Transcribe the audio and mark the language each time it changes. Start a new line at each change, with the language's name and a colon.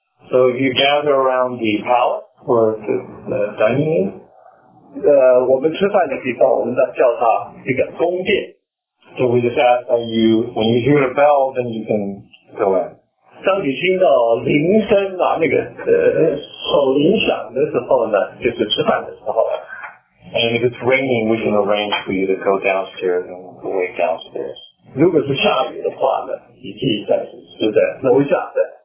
English: So if you gather around the palace for the dining,
Chinese: 我们吃饭的地方，我们叫它一个宫殿.
English: So we just ask that you, when you hear a bell, then you can go in.
Chinese: 当你听到铃声啊，那个手铃响的时候呢，就是吃饭的时候了。
English: And if it's raining, we can arrange for you to go downstairs and wait downstairs.
Chinese: 如果是下雨的话呢，你可以暂时吃在楼下的。